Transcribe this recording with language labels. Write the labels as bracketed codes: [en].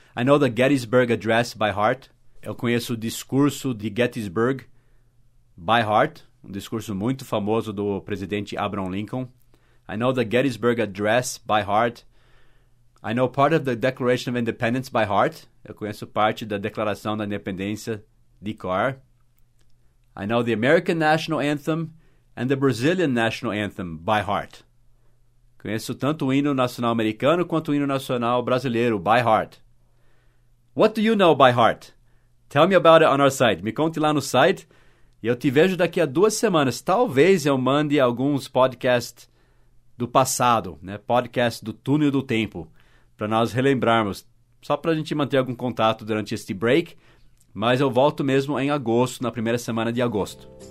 [en] I know the Gettysburg Address by heart. [pt] Eu conheço o discurso de Gettysburg by heart, um discurso muito famoso do presidente Abraham Lincoln. [en] I know the Gettysburg Address by heart. I know part of the Declaration of Independence by heart. [pt] Eu conheço parte da Declaração da Independência de cor. [en] I know the American National Anthem and the Brazilian National Anthem by heart. [pt] Conheço tanto o hino nacional americano quanto o hino nacional brasileiro by heart. [en] What do you know by heart? Tell me about it on our site. [pt] Me conte lá no site e eu te vejo daqui a 2 semanas. Talvez eu mande alguns podcasts do passado, né? Podcast do túnel do tempo, para nós relembrarmos, só para a gente manter algum contato durante este break, mas eu volto mesmo em agosto, na primeira semana de agosto.